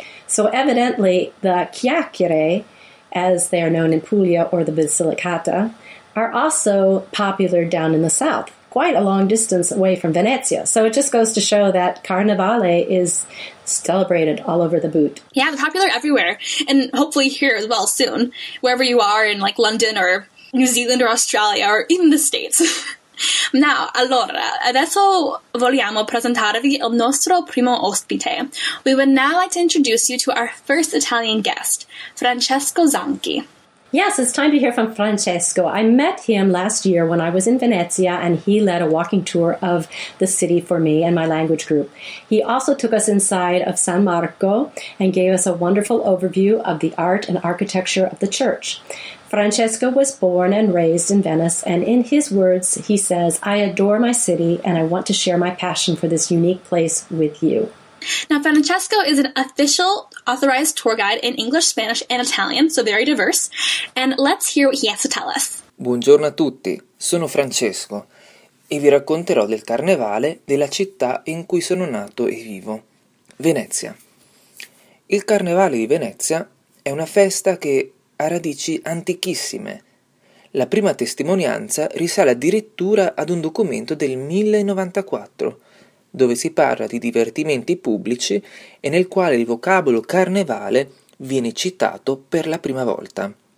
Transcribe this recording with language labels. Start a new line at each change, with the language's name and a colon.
English: So evidently, the chiacchiere, as they are known in Puglia or the Basilicata, are also popular down in the south, quite a long distance away from Venezia. So it just goes to show that Carnevale is celebrated all over the boot. Yeah, they're popular everywhere, and hopefully here as well soon, wherever you are in like London or New Zealand or Australia or even the States.
Italian: Now, allora, adesso vogliamo presentarvi il nostro primo ospite.
English: We would now like to introduce you to our first Italian guest, Francesco Zanchi. Yes, it's time to hear from Francesco. I met him last year when I was in Venezia, and he led a walking tour of the city for me and my language group. He also took us inside of San Marco and gave us a wonderful overview of the art and architecture of the church. Francesco was born and raised in Venice, and in his words, he says, "I adore my city, and I want to share my passion for this unique place with you." Now, Francesco is an official authorized tour guide in English, Spanish, and Italian, so very diverse. And let's hear what he has to tell us.
Italian: Buongiorno a tutti, sono Francesco e vi racconterò del carnevale della città in cui sono nato e vivo, Venezia. Il carnevale di Venezia è una festa che ha radici antichissime. La prima testimonianza risale addirittura ad un documento del 1094, dove si parla di divertimenti pubblici e nel quale il vocabolo carnevale viene citato per la prima volta.